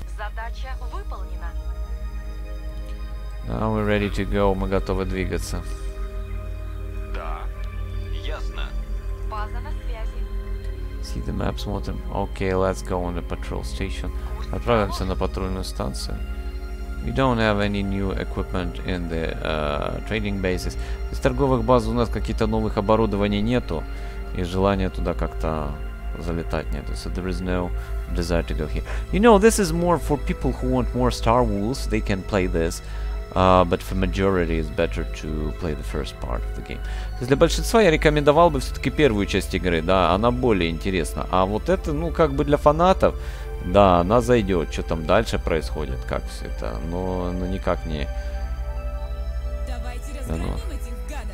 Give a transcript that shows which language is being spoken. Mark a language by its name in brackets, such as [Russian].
[Russian] Задача выполнена. [English] Now we're ready to go, [Russian] мы готовы двигаться. Да, ясно. База на связи. [English] See the map, [Russian] смотрим. [English] Okay, let's go on the patrol station. [Russian] Отправимся на патрульную станцию. [English] We don't have any new equipment in the trading bases. [Russian] Из торговых баз у нас каких-то новых оборудований нету. И желания туда как-то залетать нету. [English] So there is no... desire to go here. You know, this is more for people who want more Star Wars, they can play this, but for majority it's better to play the first part of the game. [Russian] Для большинства я рекомендовал бы все-таки первую часть игры, да, она более интересна. А вот это, ну, как бы для фанатов, да, она зайдет, что там дальше происходит, как все это, но никак не... Давайте разгоним этих гадов.